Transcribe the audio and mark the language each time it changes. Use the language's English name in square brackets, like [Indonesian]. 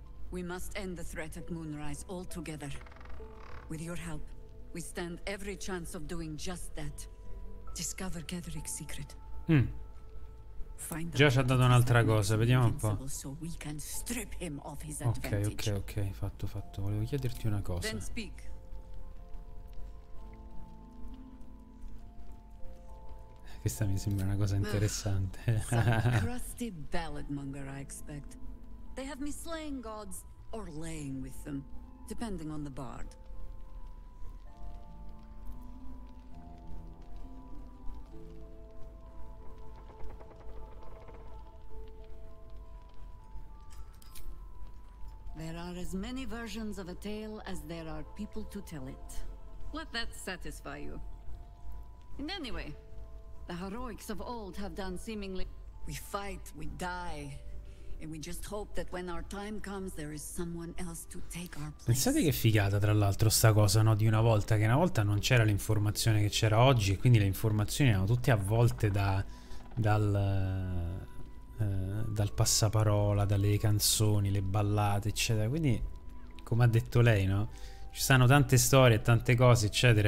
[English] We must end the threat at Moonrise all together. With your help, we stand every chance of doing just that. Discover Gedric's secret. [Italian] Già ci ha dato un'altra cosa, vediamo un po'. Ok, ok, ok, fatto, fatto. Volevo chiederti una cosa. Questa mi sembra una cosa interessante. [English] Crusty balladmonger, I expect. They have me slaying gods or laying with them, depending on the bard. There are as many versions of a tale as there are people to tell it. Let that satisfy you. And anyway, the heroics of old have done seemingly... We fight, we die, and we just hope that when our time comes there is someone else to take our place. [Italian] Pensate che figata, tra l'altro, sta cosa, no? Di una volta, che una volta non c'era l'informazione che c'era oggi, e quindi le informazioni erano tutte avvolte da... dal passaparola, dalle canzoni, le ballate, eccetera. Quindi, come ha detto lei, no? Ci stanno tante storie, tante cose, eccetera.